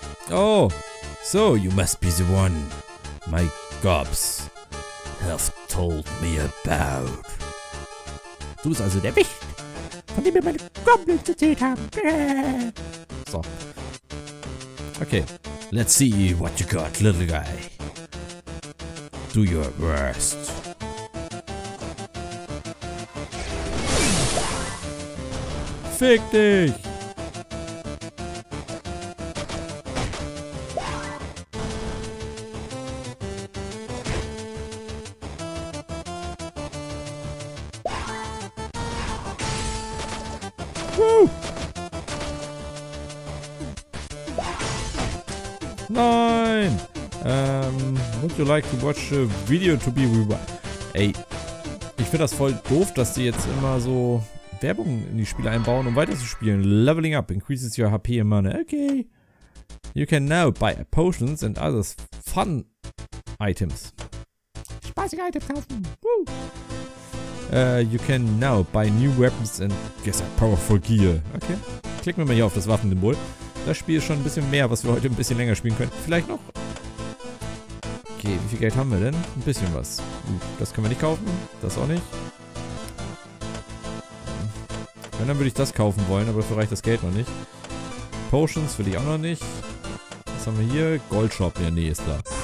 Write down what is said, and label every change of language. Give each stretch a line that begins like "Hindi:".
English: Oh, so you must be the one my gobs have told me about.
German: Du bist also der Wicht, von dem mir meine Goblins erzählt haben. So.
English: Okay. Let's see what you got, little guy. Do your worst.
German: Fick dich! Nein!
English: Would you like to watch a video to be rewired?
German: Ey, ich finde das voll doof, dass die jetzt immer so Werbung in die Spiele einbauen, um weiterzuspielen.
English: Leveling up increases your HP and mana. Okay. You can now buy potions and other fun items.
German: Spaßige Items kaufen. Woo!
English: You can now buy new weapons and get some powerful gear. Okay.
German: Klicken wir mal hier auf das Waffensymbol. Das Spiel ist schon ein bisschen mehr, was wir heute ein bisschen länger spielen können. Vielleicht noch? Okay, wie viel Geld haben wir denn? Ein bisschen was. Das können wir nicht kaufen. Das auch nicht. Wenn, dann würde ich das kaufen wollen, aber dafür reicht das Geld noch nicht. Potions will ich auch noch nicht. Was haben wir hier? Goldshop. Ja, nee, ist da.